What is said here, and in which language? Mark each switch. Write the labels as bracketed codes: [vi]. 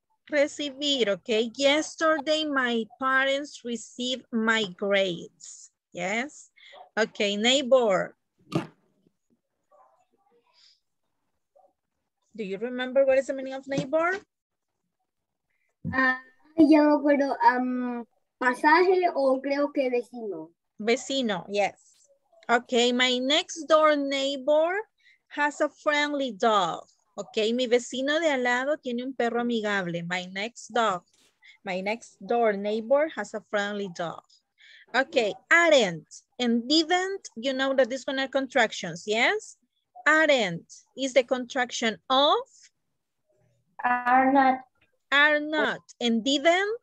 [es] Recibir, [en] okay. Yesterday, my parents received my grades. Yes? Okay, neighbor. Do you remember what is the meaning of neighbor? [es] Yo no recuerdo, pasaje o creo que vecino. [en] Vecino, yes. Okay, my next door neighbor has a friendly dog. [es] Okay, mi vecino de al lado tiene un perro amigable. [en] My next door neighbor has a friendly dog. Okay, aren't and didn't, you know that this one are contractions, yes? Aren't is the contraction of? Are not. Are not. And didn't?